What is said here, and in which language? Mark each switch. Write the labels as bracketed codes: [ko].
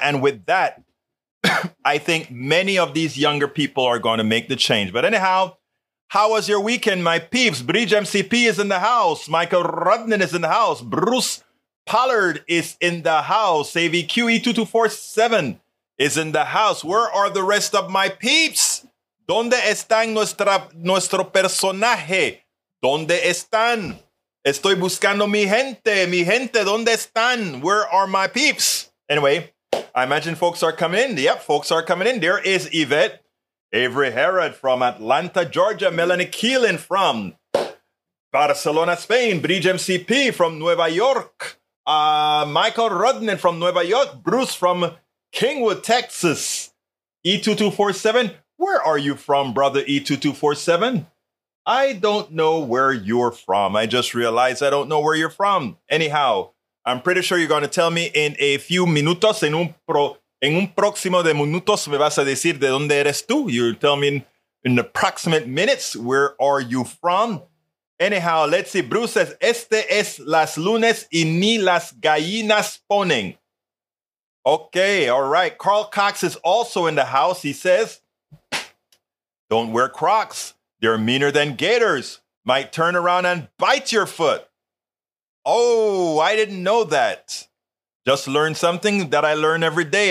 [en] And with that, I think many of these younger people are going to make the change. But anyhow, how was your weekend, my peeps? Bridge MCP is in the house. Michael Rudnan is in the house. Bruce Pollard is in the house. AVQE2247 is in the house. Where are the rest of my peeps? [es] ¿Dónde están nuestro personaje? ¿Dónde están? Estoy buscando mi gente. Mi gente, ¿dónde están? [en] Where are my peeps? Anyway, I imagine folks are coming in. Yep, folks are coming in. There is Yvette. Avery Herod from Atlanta, Georgia. Melanie Keelan from Barcelona, Spain. Bridge MCP from Nueva York. Michael Rudnan from Nueva York. Bruce from Kingwood, Texas. E2247. Where are you from, brother E2247? I don't know where you're from. I just realized I don't know where you're from. Anyhow, I'm pretty sure you're going to tell me in a few minutos, [es] en un próximo de minutos me vas a decir de dónde eres tú. [en] You're telling me in approximate minutes, where are you from? Anyhow, let's see. Bruce says, [es] este es las lunes y ni las gallinas ponen. [en] Okay, all right. Carl Cox is also in the house. He says, don't wear Crocs. They're meaner than gators. Might turn around and bite your foot. Oh, I didn't know that. Just learned something that I learn every day.